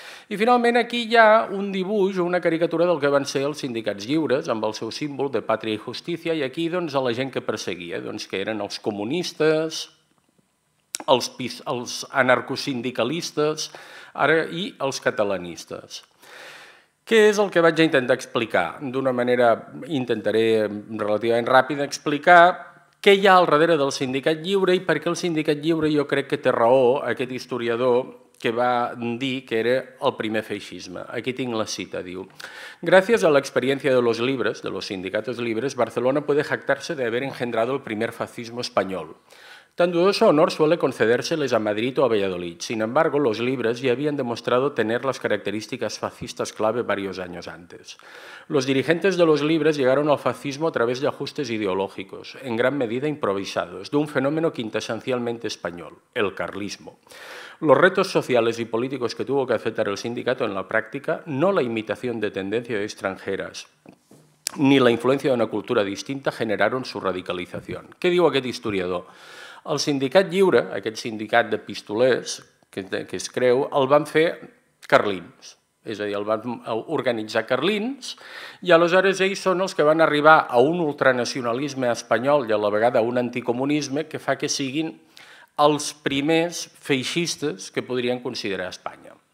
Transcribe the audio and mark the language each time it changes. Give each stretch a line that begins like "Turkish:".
Catalan: I finalment aquí hi ha un dibuix o una caricatura del que van ser els sindicats lliures, amb el seu símbol de pàtria i justícia, i aquí doncs a la gent que perseguia, doncs que eren els comunistes, els anarcosindicalistes, ara, i els catalanistes. Què és el que vaig intentar explicar? D'una manera, intentaré relativament ràpida explicar què hi ha al darrere del sindicat lliure i per què el sindicat lliure, jo crec que té raó aquest historiador que va dir que era el primer feixisme.
Spanish: Aquí tinc la cita, diu: gracias a la experiencia de los libres, de los sindicatos libres, Barcelona puede jactarse de haber engendrado el primer fascismo español. Tan dudoso honor suele concedérseles a Madrid o a Valladolid. Sin embargo, los libres ya habían demostrado tener las características fascistas clave varios años antes. Los dirigentes de los libres llegaron al fascismo a través de ajustes ideológicos, en gran medida improvisados, de un fenómeno quintesencialmente español, el carlismo. Los retos sociales y políticos que tuvo que aceptar el sindicato en la práctica, no la imitación de tendencias extranjeras, ni la influencia de una cultura distinta, generaron su radicalización. ¿Qué digo a aquel historiador?
Catalan: El sindicat lliure, aquest sindicat de pistolers que es creu, el van fer carlins, és a dir, el van organitzar carlins, i aleshores ells són els que van arribar a un ultranacionalisme espanyol i a la vegada a un anticomunisme que fa que siguin els primers feixistes que podrien considerar Espanya.